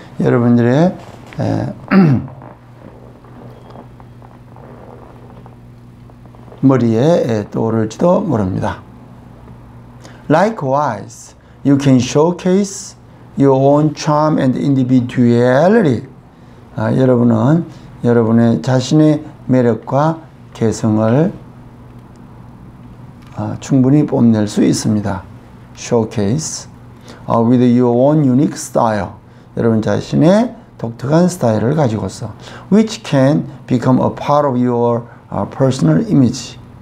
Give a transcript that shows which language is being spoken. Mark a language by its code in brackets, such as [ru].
[ko] 여러분들의 머리에 떠오를지도 모릅니다. [en] Likewise, you can showcase your own charm and individuality. [ko] 여러분은 여러분의 자신의 매력과 개성을 충분히 뽐낼 수 있습니다. [en] Showcase with your own unique style. 여러분 자신의 독특한 스타일을 가지고서 which can become a part of your personal image.